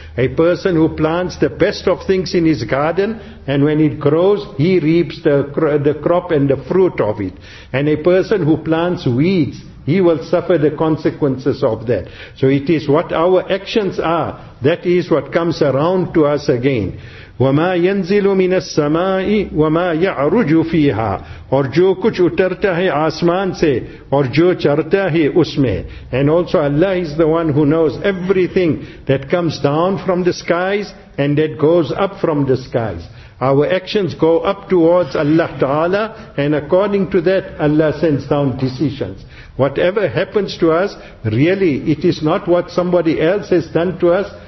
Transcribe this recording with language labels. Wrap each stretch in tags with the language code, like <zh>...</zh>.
<en>A person who plants the best of things in his garden, and when it grows, he reaps the crop and the fruit of it. And a person who plants weeds, he will suffer the consequences of that. So it is what our actions are, that is what comes around to us again.</en> <ar>وَمَا يَنزِلُ مِنَ السَّمَاءِ وَمَا يَعْرُجُ فِيهَا.</ar> <ur>اور جو کچھ اترتا ہے آسمان سے اور جو چرتا ہے اس میں.</ur> <en>And also Allah is the one who knows everything that comes down from the skies and that goes up from the skies. Our actions go up towards Allah Ta'ala, and according to that Allah sends down decisions. Whatever happens to us, really it is not what somebody else has done to us.</en>